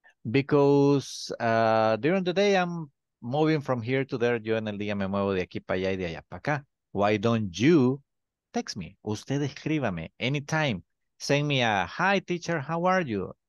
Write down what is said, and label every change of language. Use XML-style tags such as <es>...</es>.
<en>Because during the day I'm moving from here to there.</en> <es>Yo en el día me muevo de aquí para allá y de allá para acá.</es> <en>Why don't you... text me,</en> <es>usted escríbame,</es> <en>anytime, send me a, hi teacher, how are you?</en>